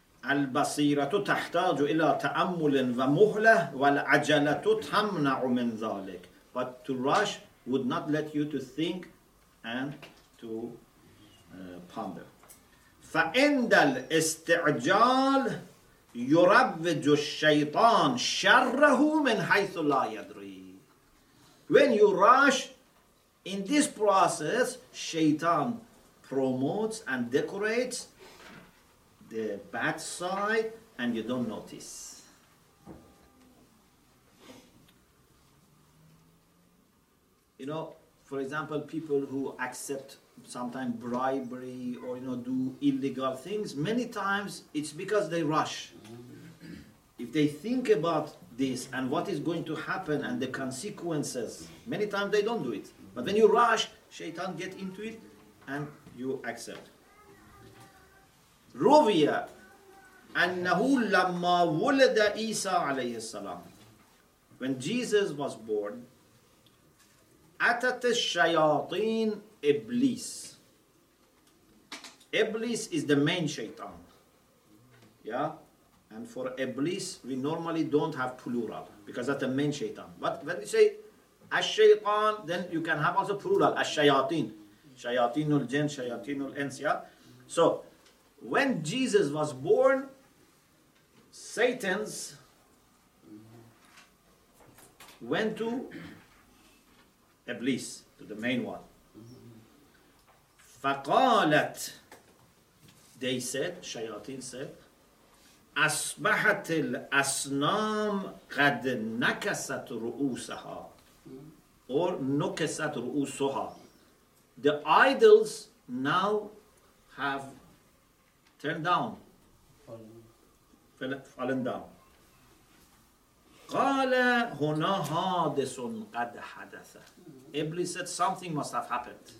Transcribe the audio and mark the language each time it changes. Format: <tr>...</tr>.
<ar>البصيرة تحتاج إلى تأمل ومهلة والعجلة تمنع من ذلك.</ar> <en>But to rush would not let you to think and to ponder.</en> <ar>فعند الاستعجال يروج الشيطان شره من حيث لا يدري.</ar> <en>When you rush, in this process, Shaitan promotes and decorates the bad side, and you don't notice. For example, people who accept sometimes bribery or, do illegal things, many times it's because they rush. If they think about this and what is going to happen and the consequences, many times they don't do it. But when you rush, Shaitan get into it and you accept.</en> <ar>روي أنه لما ولد عيسى عليه السلام.</ar> <en>When Jesus was born,</en> <ar>أتت الشياطين إبليس.</ar> <en>Iblis is the main shaitan. Yeah? And for Iblis, we normally don't have plural because that's the main shaitan. But when we say ash-shaytan, then you can have also plural, ash-shayateen. Shayateenul jinn, shayateenul ins, yeah? So, when Jesus was born, Satan's went to Iblis, to the main one.</en> <ar>فقالت,</ar> <en>they said, shayateen said,</en> <ar>أصبحت الأصنام قد نكست رؤوسها or نكست رؤوسها.</ar> <en>The idols now have turned down, fallen down.</en> <ar>قال هنا حادث قد حدث.</ar> <en>Iblis said something must have happened.</en>